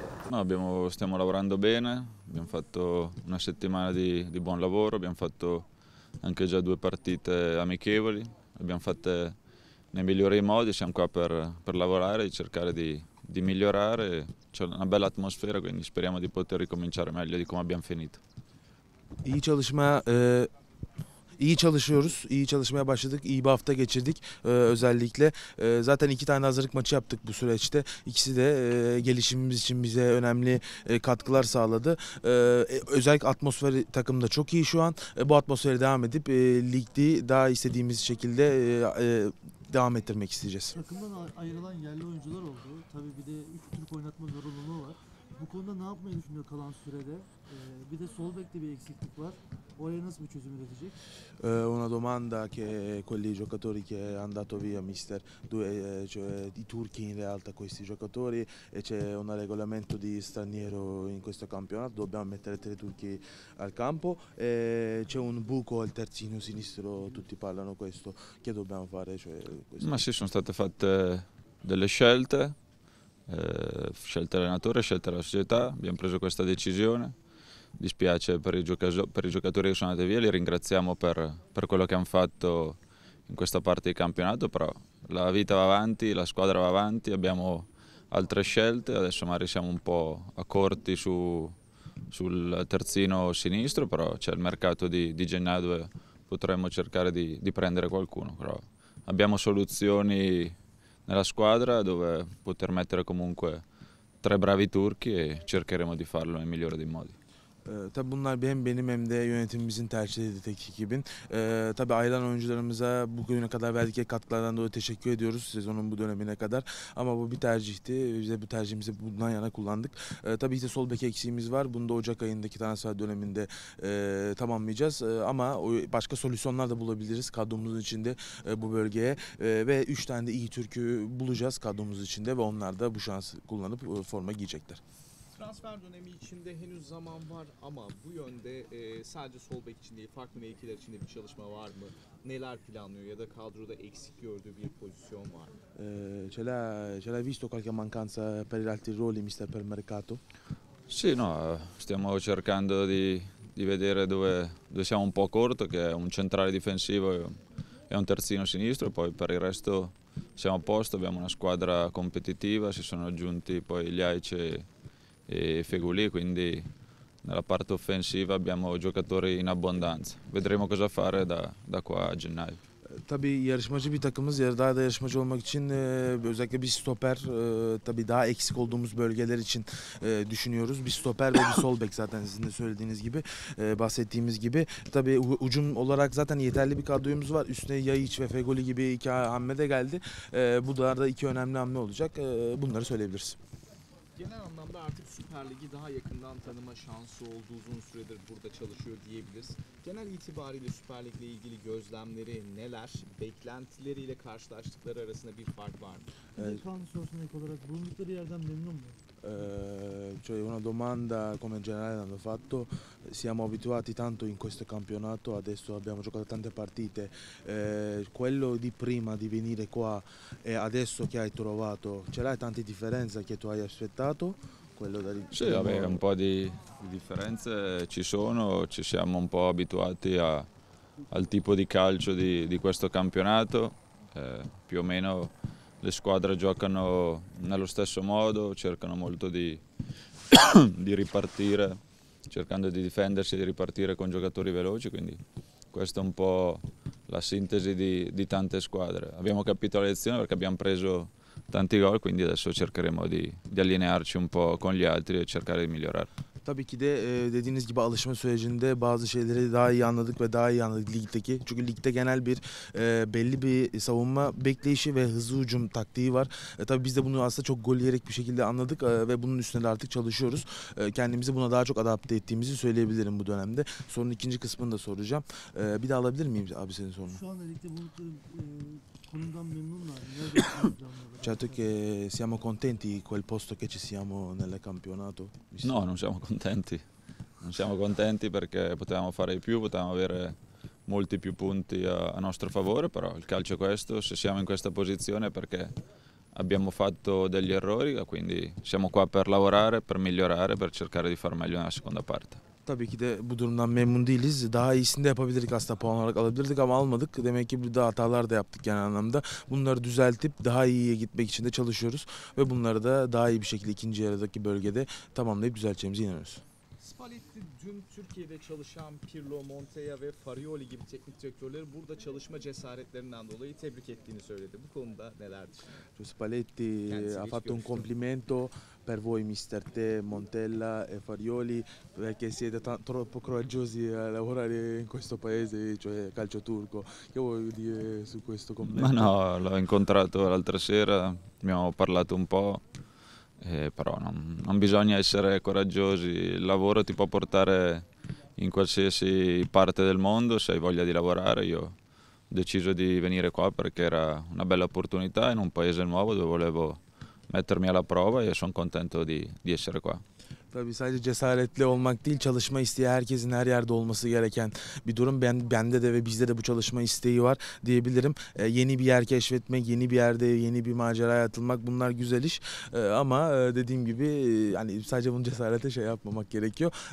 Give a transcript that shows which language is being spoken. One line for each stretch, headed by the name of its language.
Italian: No, stiamo lavorando bene, abbiamo fatto una settimana di buon lavoro, abbiamo fatto anche già due partite amichevoli, abbiamo fatte nei migliori modi, siamo qua per lavorare e cercare di migliorare. C'è una bella atmosfera, quindi speriamo di poter ricominciare meglio di come abbiamo finito.
Turkish: İyi çalışma, iyi çalışıyoruz, iyi çalışmaya başladık, iyi bir hafta geçirdik özellikle. Zaten iki tane hazırlık maçı yaptık bu süreçte. İkisi de gelişimimiz için bize önemli katkılar sağladı. Özellikle atmosfer takımda çok iyi şu an. Bu atmosferi devam edip ligde daha istediğimiz şekilde devam ettirmek isteyeceğiz. Takımdan ayrılan yerli oyuncular oldu. Tabii bir de üç Türk oynatma zorunluluğu var. Bu konuda ne yapmayı düşünüyor kalan sürede? Bir de sol bekte bir eksiklik var. Oraya nasıl bir çözüm üretecek?
Italian: Una domanda che quelli giocatori che è andato via mister due cioè i turchi in realtà questi giocatori e c'è un regolamento di straniero in questo campionato dobbiamo mettere tre turchi al campo e c'è un buco al terzino sinistro tutti parlano questo che dobbiamo fare cioè questo. Ma sì, sono state fatte delle scelte. Scelta l'allenatore, scelta la società, abbiamo preso questa decisione. Dispiace per i giocatori che sono andati via, li ringraziamo per quello che hanno fatto in questa parte di campionato, però la vita va avanti, la squadra va avanti, abbiamo altre scelte, adesso magari siamo un po' a corti sul terzino sinistro, però c'è il mercato di gennaio dove potremmo cercare di prendere qualcuno, però abbiamo soluzioni nella squadra dove poter mettere comunque tre bravi turchi e cercheremo di farlo nel migliore dei modi.
Turkish: Tabii bunlar hem benim hem de yönetimimizin tercih edildiği teknik gibi. Tabii ayrılan oyuncularımıza bugüne kadar verdiği katkılardan dolayı teşekkür ediyoruz sezonun bu dönemine kadar. Ama bu bir tercihti. Biz de bu tercihimizi bundan yana kullandık. Tabii işte sol bek eksiğimiz var. Bunu da Ocak ayındaki transfer döneminde tamamlayacağız. Ama başka solüsyonlar da bulabiliriz kadromuzun içinde bu bölgeye. Ve 3 tane de iyi türkü bulacağız kadromuz içinde. Ve onlar da bu şansı kullanıp forma giyecekler. Transfer dönemi içinde henüz zaman var ama bu yönde sadece sol bek için değil farklı mevkiler için de bir çalışma var mı? Neler planlıyor ya da kadroda eksik gördüğü bir pozisyon var mı?
Italian: Ce l'hai visto qualche mancanza per gli altri ruoli mister per mercato? Sì, no, stiamo cercando di vedere dove siamo un po' corto, che è un centrale difensivo e un terzino sinistro, poi per il resto siamo a posto, abbiamo una squadra competitiva, si sono aggiunti poi gli Aice e Feguli, quindi nella parte offensiva abbiamo giocatori in abbondanza. Vedremo cosa fare da qua a gennaio.
Turkish: Tabii yarışmacı bir takımız, daha da yarışmacı olmak için özellikle bir stoper, tabii daha eksik olduğumuz bölgeler için düşünüyoruz. Bir stoper ve bir sol bek zaten sizin de söylediğiniz gibi, bahsettiğimiz gibi. Tabii ucum olarak zaten yeterli bir kadroyumuz var. Üstüne Yayiç ve Feguli gibi iki hamle de geldi. Bu da iki önemli hamle olacak. Bunları söyleyebiliriz. Genel anlamda artık Süper Lig'i daha yakından tanıma şansı oldu. Uzun süredir burada çalışıyor diyebiliriz. Genel itibariyle Süper Lig'le ilgili gözlemleri neler? Beklentileriyle karşılaştıkları arasında bir fark var mı? Evet. Kanlı sorusuna ek olarak bulundukları yerden memnun mu?
Italian: Cioè una domanda come in generale hanno fatto, siamo abituati tanto in questo campionato, adesso abbiamo giocato tante partite, quello di prima di venire qua e adesso che hai trovato, ce l'hai tante differenze che tu hai aspettato? Quello da lì, sì, vabbè, un po' di differenze ci sono, ci siamo un po' abituati al tipo di calcio di questo campionato, più o meno. Le squadre giocano nello stesso modo, cercano molto di ripartire, cercando di difendersi e di ripartire con giocatori veloci, quindi questa è un po' la sintesi di tante squadre. Abbiamo capito la lezione perché abbiamo preso tanti gol, quindi adesso cercheremo di allinearci un po' con gli altri e cercare di migliorare.
Turkish: Tabii ki de dediğiniz gibi alışma sürecinde bazı şeyleri daha iyi anladık ve daha iyi anladık ligdeki. Çünkü ligde genel bir belli bir savunma bekleyişi ve hızlı hücum taktiği var. Tabii biz de bunu aslında çok gol yiyerek bir şekilde anladık ve bunun üstüne de artık çalışıyoruz. Kendimizi buna daha çok adapte ettiğimizi söyleyebilirim bu dönemde. Sorunun ikinci kısmını da soracağım. Bir de alabilir miyim abi senin sorunu? Şu anda ligde konumdan memnunlar.
Italian: Certo che siamo contenti quel posto che ci siamo nel campionato. No, non siamo contenti. Non siamo contenti perché potevamo fare di più, potevamo avere molti più punti a nostro favore, però il calcio è questo, se siamo in questa posizione è perché abbiamo fatto degli errori, quindi siamo qua per lavorare, per migliorare, per cercare di far meglio nella seconda parte.
Turkish: Tabii ki de bu durumdan memnun değiliz. Daha iyisini de yapabilirdik aslında, puan olarak alabilirdik ama almadık. Demek ki burada hatalar da yaptık genel anlamda. Bunları düzeltip daha iyiye gitmek için de çalışıyoruz. Ve bunları da daha iyi bir şekilde ikinci yarıdaki bölgede tamamlayıp düzelteceğimize inanıyoruz. Spalletti dün Türkiye'de çalışan Pirlo, Montella ve Farioli gibi teknik direktörleri burada çalışma cesaretlerinden dolayı tebrik ettiğini söyledi. Bu konuda neler düşünüyorsun?
Italian: Spalletti ha fatto un complimento per voi mister Te, Montella e Farioli perché siete troppo coraggiosi a lavorare in questo paese, cioè calcio turco. Che vuoi dire su questo commento? Ma no, l'ho incontrato l'altra sera, abbiamo parlato un po'. Però non bisogna essere coraggiosi, il lavoro ti può portare in qualsiasi parte del mondo se hai voglia di lavorare. Io ho deciso di venire qua perché era una bella opportunità in un paese nuovo dove volevo mettermi alla prova e sono contento di essere qua.
Turkish: Tabii sadece cesaretli olmak değil, çalışma isteği herkesin her yerde olması gereken bir durum. Bende de ve bizde de bu çalışma isteği var diyebilirim. Yeni bir yer keşfetmek, yeni bir yerde yeni bir maceraya atılmak, bunlar güzel iş. Ama dediğim gibi yani sadece bunu cesarete şey yapmamak gerekiyor.